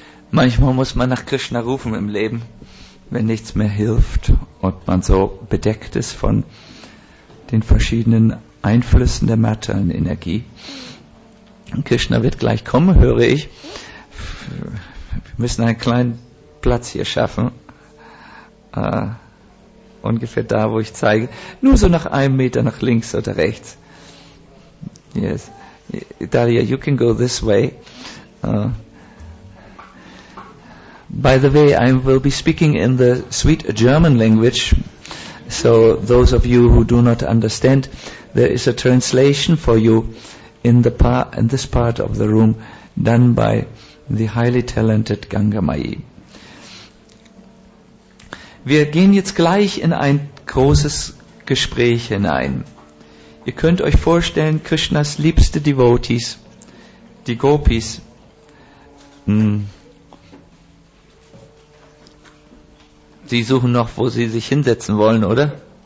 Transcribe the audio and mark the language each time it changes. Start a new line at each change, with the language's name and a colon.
German: Manchmal muss man nach Krishna rufen im Leben, wenn nichts mehr hilft und man so bedeckt ist von den verschiedenen Einflüssen der materiellen Energie. Und Krishna wird gleich kommen, höre ich. Wir müssen einen kleinen Platz hier schaffen. Ungefähr da, wo ich zeige. Nur so nach einem Meter nach links oder rechts.
English: Yes. Dalia, you can go this way. By the way, I will be speaking in the sweet German language. So those of you who do not understand, there is a translation for you in the in this part of the room done by the highly talented Ganga Mayi.
German: Wir gehen jetzt gleich in ein großes Gespräch hinein. Ihr könnt euch vorstellen, Krishnas liebste Devotees, die Gopis, Sie suchen noch, wo Sie sich hinsetzen wollen, oder?